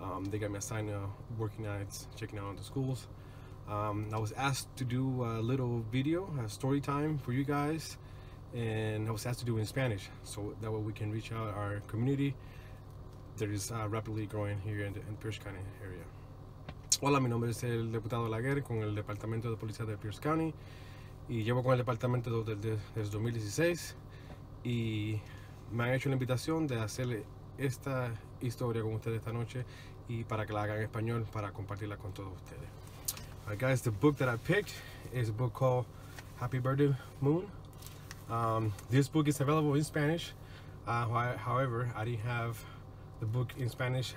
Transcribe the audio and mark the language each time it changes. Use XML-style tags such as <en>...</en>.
<en>They got me assigned to working nights, checking out on the schools. I was asked to do a little video, a story time for you guys, and I was asked to do it in Spanish, so that way we can reach out our community. There is rapidly growing here in Pierce County area.</en> <es>Hola, mi nombre es el diputado Laguerre con el Departamento de Policía de Pierce County y llevo con el departamento desde 2016 y me han hecho la invitación de hacer esta historia con ustedes esta noche y para que la hagan en español para compartirla con todos ustedes.</es> <en>All right, guys, the book that I picked is a book called Happy Birthday Moon. This book is available in Spanish. However, I didn't have the book in Spanish.</en>